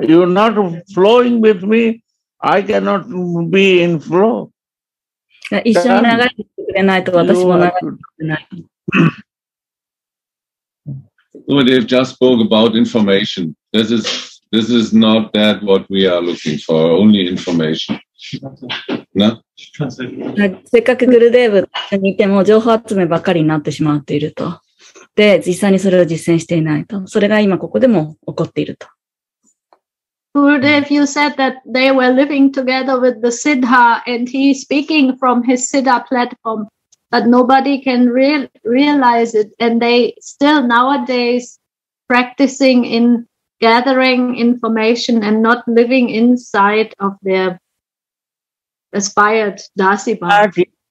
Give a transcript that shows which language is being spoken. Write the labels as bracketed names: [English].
[English] You're not flowing with me. I cannot be in flow. Umadev just spoke about information. This is not that what we are looking for, only information. No? [Japanese] せっかくグルデーブにいても情報集めばかりになってしまっていると。で、実際にそれを実践していないと。それが今ここでも起こっていると。 [English] グルデーブ、you said that they were living together with the Siddha and he is speaking from his Siddha platform. But nobody can realize it, and they still nowadays practicing in gathering information and not living inside of their aspired dasi body.